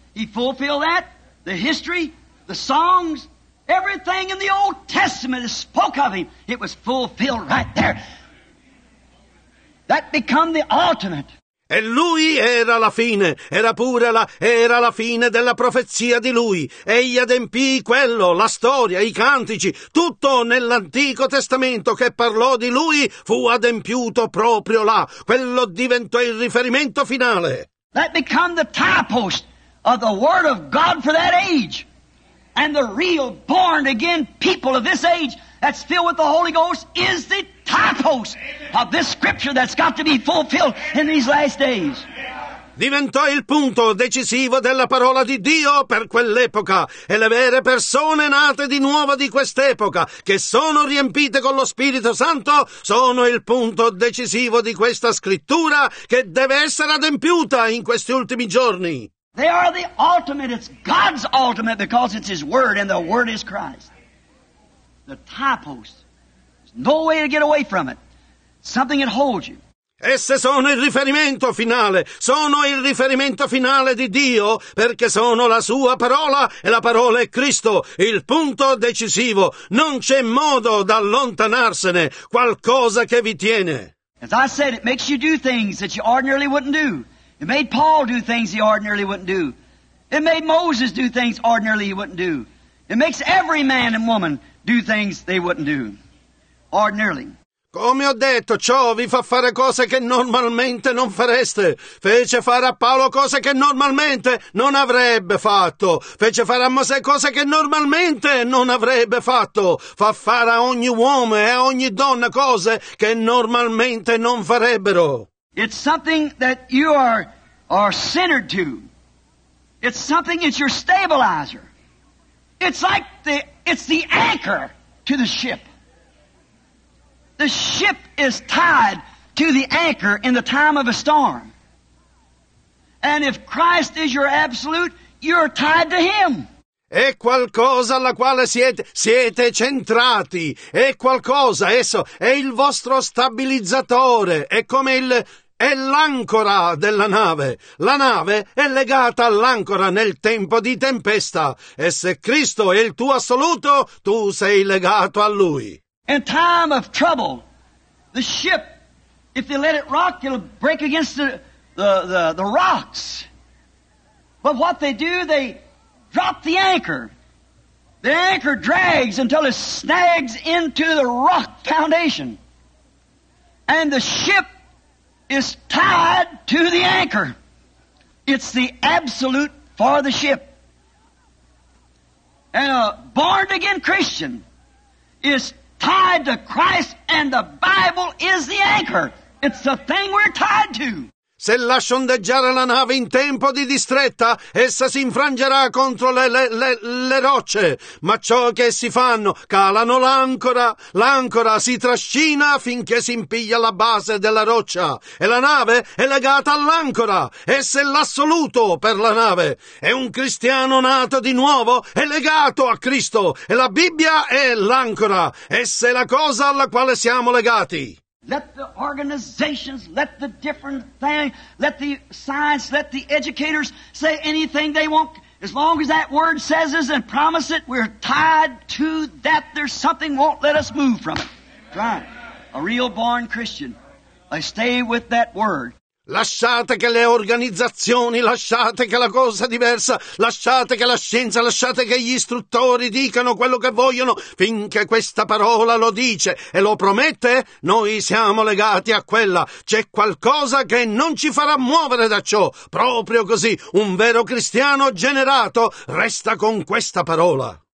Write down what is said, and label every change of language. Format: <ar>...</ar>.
<en>He fulfilled that, the history, the songs. Everything in the Old Testament is spoke of Him. It was fulfilled right there. That become the ultimate.</en> <it>E Lui era la fine. Era la fine della profezia di Lui. Egli adempì quello, la storia, i cantici. Tutto nell'Antico Testamento che parlò di Lui fu adempiuto proprio là. Quello diventò il riferimento finale.</it> <en>That become the typepost of the Word of God for that age. And the real born-again people of this age that's filled with the Holy Ghost is the typos of this scripture that's got to be fulfilled in these last days.</en> <it>Diventò il punto decisivo della parola di Dio per quell'epoca e le vere persone nate di nuovo di quest'epoca che sono riempite con lo Spirito Santo sono il punto decisivo di questa scrittura che deve essere adempiuta in questi ultimi giorni.</it> <en>They are the ultimate. It's God's ultimate because it's His Word, and the Word is Christ. The typos. There's no way to get away from it. Something that holds you.</en> <it>Esse sono il riferimento finale. Sono il riferimento finale di Dio perché sono la Sua parola e la parola è Cristo. Il punto decisivo. Non c'è modo da allontanarsene. Qualcosa che vi tiene.</it> <en>As I said, it makes you do things that you ordinarily wouldn't do. It made Paul do things he ordinarily wouldn't do. It made Moses do things ordinarily he wouldn't do. It makes every man and woman do things they wouldn't do. Ordinarily.</en> <it>Come ho detto, ciò vi fa fare cose che normalmente non fareste. Fece fare a Paolo cose che normalmente non avrebbe fatto. Fece fare a Mosè cose che normalmente non avrebbe fatto. Fa fare a ogni uomo e a ogni donna cose che normalmente non farebbero.</it> <en>It's something that you are centered to. It's something that's your stabilizer. It's like it's the anchor to the ship. The ship is tied to the anchor in the time of a storm. And if Christ is your absolute, you're tied to Him.</en> <it>È qualcosa alla quale siete centrati. È qualcosa, esso è il vostro stabilizzatore. È come il... È l'ancora della nave. La nave è legata all'ancora nel tempo di tempesta. E se Cristo è il tuo assoluto, tu sei legato a Lui.</it> <en>In time of trouble, the ship, if they let it rock, it'll break against the rocks. But what they do, they drop the anchor. The anchor drags until it snags into the rock foundation. And the ship is tied to the anchor. It's the absolute for the ship. And a born-again Christian is tied to Christ, and the Bible is the anchor. It's the thing we're tied to.</en> <it>Se lascio ondeggiare la nave in tempo di distretta, essa si infrangerà contro le rocce. Ma ciò che essi fanno, calano l'ancora. L'ancora si trascina finché si impiglia la base della roccia. E la nave è legata all'ancora. Essa è l'assoluto per la nave. È un cristiano nato di nuovo, è legato a Cristo. E la Bibbia è l'ancora. Essa è la cosa alla quale siamo legati.</it> <en>Let the organizations, let the different thing, let the science, let the educators say anything they want. As long as that word says it and promise it, we're tied to that. There's something won't let us move from it. Try it. A real born Christian, I stay with that word.</en> <it>Lasciate che le organizzazioni, lasciate che la cosa diversa, lasciate che la scienza, lasciate che gli istruttori dicano quello che vogliono, finché questa parola lo dice e lo promette, noi siamo legati a quella. C'è qualcosa che non ci farà muovere da ciò. Proprio così, un vero cristiano generato resta con questa parola.</it>